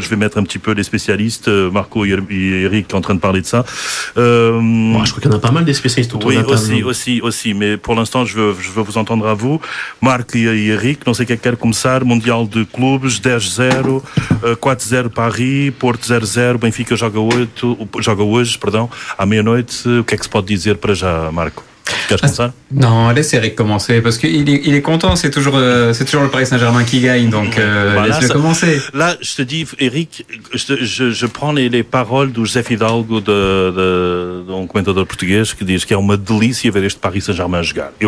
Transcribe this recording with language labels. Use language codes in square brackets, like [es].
[fr] Je vais mettre un petit peu les spécialistes, Marco et Eric en train de parler de ça. Je crois qu'il y en a pas mal des spécialistes autour de la table. Oui, aussi, mais pour l'instant je veux vous entendre à vous, Marc et Eric. [pt] Não sei o que é que quer começar, mondial de clubes, 10-0, 4-0 Paris, Porto 0-0, Benfica joga hoje, à meia-noite. O que é que se pode dizer para já, Marco? [fr] Non, laisse Eric commencer parce qu'il est content. C'est toujours le Paris Saint-Germain qui gagne, donc voilà, laisse-le commencer. Là, je te dis, Eric, je prends les paroles de José Fidalgo, d'un commentateur portugais, qui dit que c'est une délice de voir ce Paris Saint-Germain jouer.